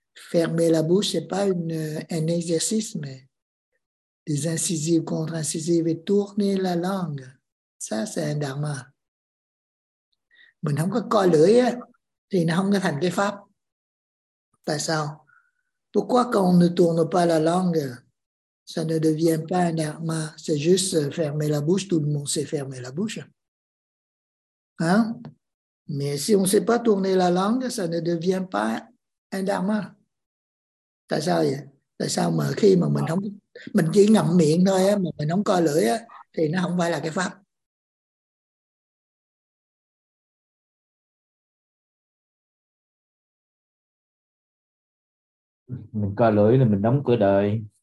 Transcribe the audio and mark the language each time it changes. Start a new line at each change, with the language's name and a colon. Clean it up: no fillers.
French: Fermer la bouche, c'est pas un exercice, mais des incisives, contre-incisives et tourner la langue. Ça, c'est un dharma.
Vietnamese: Mình không có coi lưỡi á, thì nó không có thành cái pháp. Tại sao?
French: Pourquoi quand on ne tourne pas la langue, ça ne devient pas un dharma? C'est juste fermer la bouche, tout le monde sait fermer la bouche. Hein? Mais si on ne sait pas tourner la langue, ça ne devient pas un dharma.
Vietnamese: Tại sao vậy? Tại sao mà khi mà mình không, mình chỉ ngậm miệng thôi á, mà mình không coi lưỡi á, thì nó không phải là cái pháp. Mình coi lưỡi là mình đóng cửa đời.